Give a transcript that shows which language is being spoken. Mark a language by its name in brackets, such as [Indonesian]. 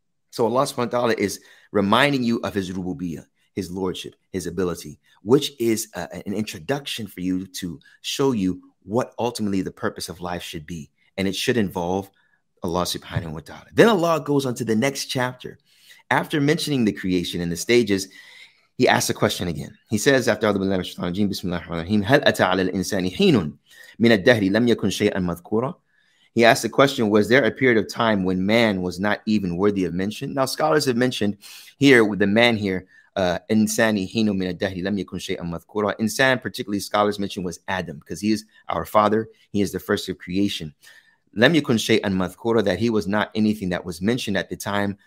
[English] So Allah subhanahu wa ta'ala is reminding you of his rububiyyah, his lordship, his ability, which is an introduction for you to show you what ultimately the purpose of life should be. And it should involve Allah subhanahu wa ta'ala. Then Allah goes on to the next chapter. after mentioning the creation and the stages, he asks a question again. He says, after [Arabic] أعوذ بالله من الشيطان الرجيم بسم الله الرحمن الرحيم هل أتى على الإنسان حين من الدهر لم يكن شيئا مذكورا. [English] He asked the question, was there a period of time when man was not even worthy of mention? Now, scholars have mentioned here with the man here, [Arabic] insani hinu min ad-dahri lam yakun shay'an madhkura. [English] Insan, particularly scholars mention, was Adam, because he is our father. He is the first of creation. [Arabic] Lam yakun shay'an madhkura, [English] that he was not anything that was mentioned at the time.